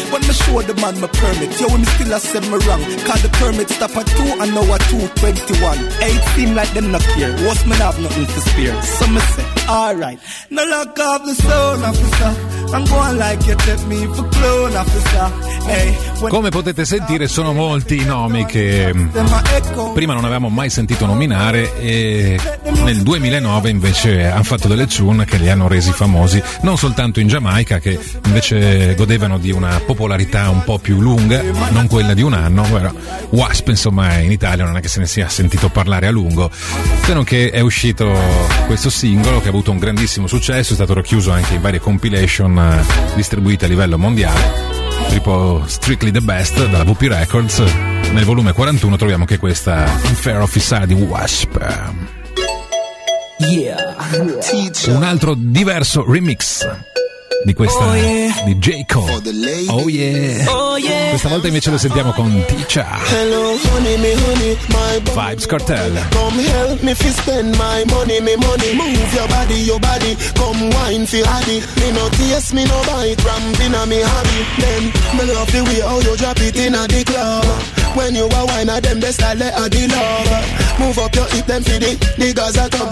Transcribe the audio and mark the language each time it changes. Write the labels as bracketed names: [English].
[English] When me show the man my permit, yo, when me still a send me wrong. Cause the permit stop at 2 and now at 2:21. Hey, seem like them not here. What's me have nothing to spare? So me say, alright. No lock off the stone, officer. I'm going like you take me for clone, officer. Hey. [Italian] Come potete sentire, sono molti i nomi che prima non avevamo mai sentito nominare e nel 2009 invece hanno fatto delle tune che li hanno resi famosi, non soltanto in Giamaica, che invece godevano di una popolarità un po' più lunga, non quella di un anno, però Wasp insomma in Italia non è che se ne sia sentito parlare a lungo, se non che è uscito questo singolo che ha avuto un grandissimo successo, è stato racchiuso anche in varie compilation distribuite a livello mondiale. Tipo Strictly the Best dalla WP Records. Nel volume 41 troviamo anche questa Unfair Officer di Wasp. [English] Yeah. [Italian] Un altro diverso remix di questa, [English] oh yeah, [Italian] di J. [English] Cole. Oh yeah. Oh yeah. [Italian] Questa volta invece lo sentiamo con Tisha. [English] Hello, honey, me, honey, my body. Vibes Cartel. Come help me fi spend my money, me money. Move your body, come wine fi hardy. Me no taste, me no bite, ramping on me hobby. Then, me love the way how you drop it in a the club. When you a wine, them best I let a the love. Move up your hip, them fi the girls a come.